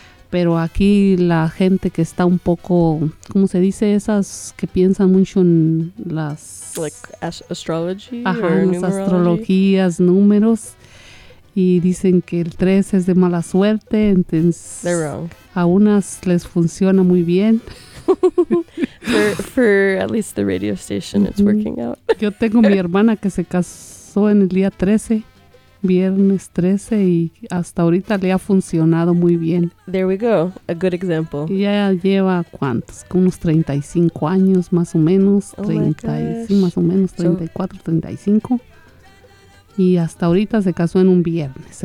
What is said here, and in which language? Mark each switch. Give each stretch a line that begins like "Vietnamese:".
Spanish: Pero aquí la gente que está un poco, ¿cómo se dice? Esas que piensan mucho en las...
English: Like astrology. Ajá, or
Spanish: las astrologías, números. Y dicen que el 13 es de mala suerte. Entonces,
English: they're wrong.
Spanish: A unas les funciona muy bien.
English: for at least the radio station, it's working out.
Spanish: Yo tengo mi hermana que se casó en el día 13, viernes 13, y hasta ahorita le ha funcionado muy bien.
English: There we go, a good example.
Spanish: Y ya lleva cuántos, unos 35 años más o menos,
English: oh 30, my gosh.
Spanish: Sí, más o menos 34, 35, y hasta ahorita se casó en un viernes.